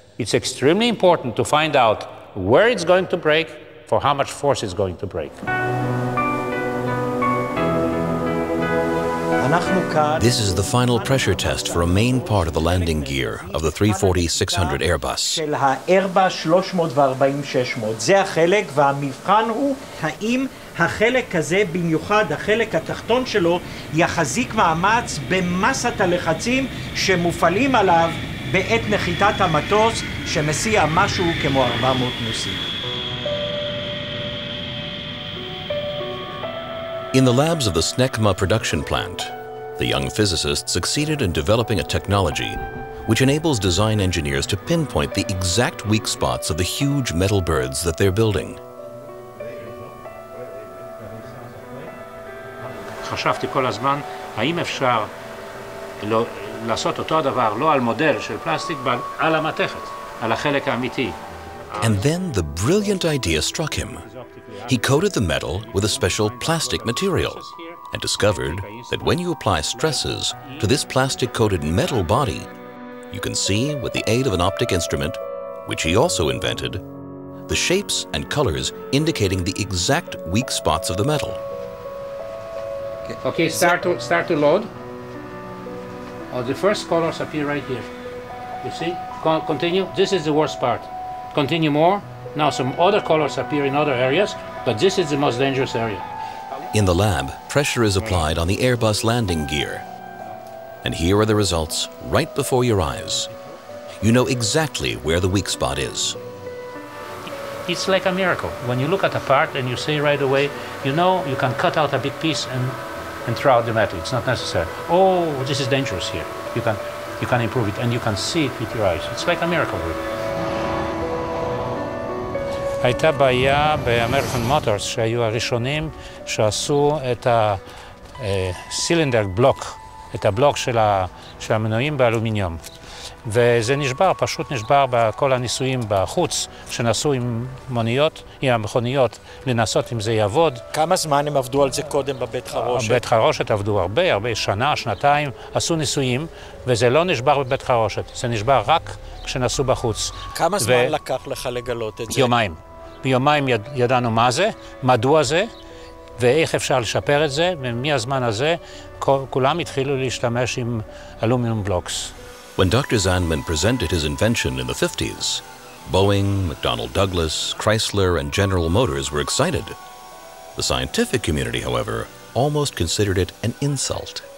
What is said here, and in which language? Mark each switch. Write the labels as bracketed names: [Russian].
[English] It's extremely important to find out where it's going to break for how much force it's going to break. This is the final pressure test for a main part of the landing gear of the 340-600 Airbus. [Hebrew] של ה-Airbus 340-600. זה החלק, והמבחן הוא האם החלק הזה, במיוחד החלק התחתון שלו, יחזיק מאמץ במסת הלחצים שמופעלים עליו בעת נחיתת המטוס שמסיע משהו כמו 400 נוסעים. [English] In the labs of the Snecma production plant, the young physicist succeeded in developing a technology which enables design engineers to pinpoint the exact weak spots of the huge metal birds that they're building. [Hebrew] חשבתי כל הזמן, האם אפשר לעשות אותו הדבר, לא על מודל של פלסטיק, אבל על המתכת, על החלק האמיתי. [English] And then the brilliant idea struck him. He coated the metal with a special plastic material and discovered that when you apply stresses to this plastic-coated metal body, you can see, with the aid of an optic instrument, which he also invented, the shapes and colors indicating the exact weak spots of the metal. Okay, start to load. Oh, the first colors appear right here. You see? Continue. This is the worst part. Continue more. Now some other colors appear in other areas, but this is the most dangerous area. In the lab, pressure is applied on the Airbus landing gear. And here are the results right before your eyes. You know exactly where the weak spot is. It's like a miracle. When you look at a part and you say right away, you know, you can cut out a big piece and throw out the metal. It's not necessary. Oh, this is dangerous here. You can improve it and you can see it with your eyes. It's like a miracle, really. [Hebrew] הייתה בעיה באמריקן מוטורס שהיו הראשונים שעשו את הסילינדר בלוק, את הבלוק של המנועים באלומיניום. וזה נשבר, פשוט נשבר בכל הניסויים בחוץ, שנסו עם מוניות, עם המכוניות, לנסות אם זה יעבוד. כמה זמן הם עבדו על זה קודם בבית חרושת? בבית חרושת עבדו הרבה, הרבה שנה, שנתיים, עשו ניסויים, וזה לא נשבר בבית חרושת, זה נשבר רק כשנסו בחוץ. כמה זמן לקח לך לגלות את זה? יומיים. ביומיים ידענו מה זה, מדוע זה, ואיך אפשר לשפר את זה, ומהזמן הזה כולם התחילו להשתמש עם אלומיום בלוקס. [English] When Dr. Zandman presented his invention in the 50s, Boeing, McDonnell Douglas, Chrysler, and General Motors were excited. The scientific community, however, almost considered it an insult.